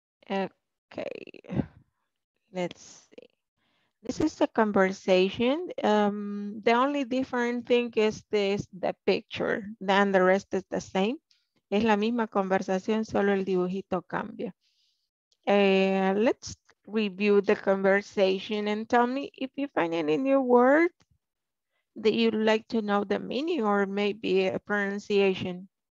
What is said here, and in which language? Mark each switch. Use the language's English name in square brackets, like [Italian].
[English] Okay, let's see. This is a conversation. The only different thing is this, the picture, and the rest is the same. [Spanish] Es la misma conversación, solo el dibujito cambia. [English] Let's review the conversation and tell me if you find any new word that you'd like to know the meaning or maybe a pronunciation.